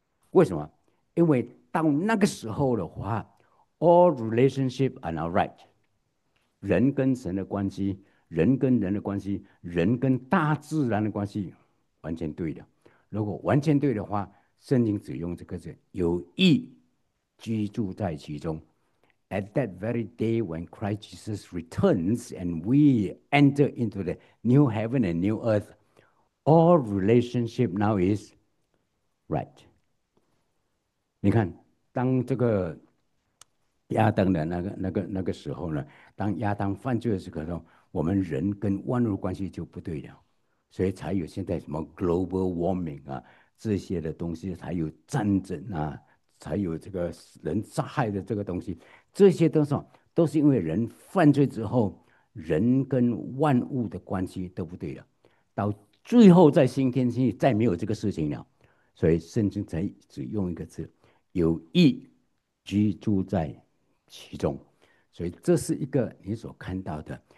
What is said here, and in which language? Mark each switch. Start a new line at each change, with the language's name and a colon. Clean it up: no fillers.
Chinese: 为什么？因为到那个时候的话，
English: all relationship are now right，
Chinese: 人跟神的关系。人跟人的关系，人跟大自然的关系，完全对的。如果完全对的话，圣经只用这个字，有义居住在其中。
English: At that very day when Christ Jesus returns and we enter into the new heaven and new earth, all relationship now is right。
Chinese: 你看，当这个亚当的那个时候呢，当亚当犯罪的时候。我们人跟万物关系就不对了，所以才有现在什么 global warming 啊这些的东西，才有战争啊，才有这个人杀害的这个东西，这些都是因为人犯罪之后，人跟万物的关系都不对了，到最后在新天新地再没有这个事情了，所以圣经才只用一个字，有义居住在其中，所以这是一个你所看到的。